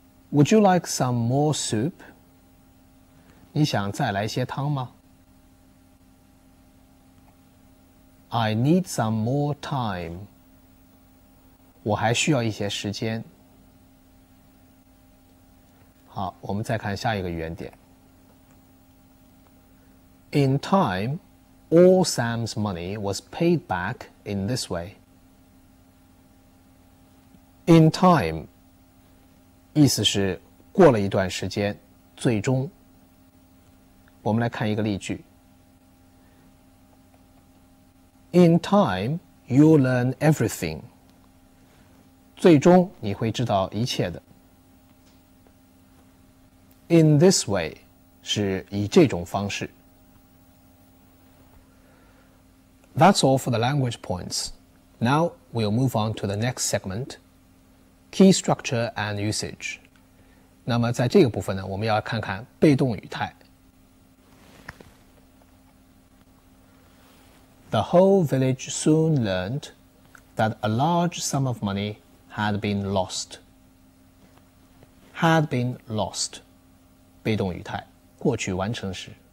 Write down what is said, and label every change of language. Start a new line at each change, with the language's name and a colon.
English: Would you like some more soup?
Chinese: 你想再来些汤吗？
English: I need some more time.
Chinese: 我还需要一些时间。好，我们再看下一个语言点。
English: In timeAll Sam's money was paid back in this way. In time,
Chinese: 意思是过了一段时间，最终。我们来看一个例句。
English: In time, you learn everything.
Chinese: 最终你会知道一切的。
English: In this way,
Chinese: 是以这种方式。
English: That's all for the language points. Now we'll move on to the next segment, key structure and usage.
Chinese: 那么在这个部分呢，我们要看看被动语态。
English: The whole village soon learned that a large sum of money had been lost. Had been lost.
Chinese: 被动语态，过去完成时。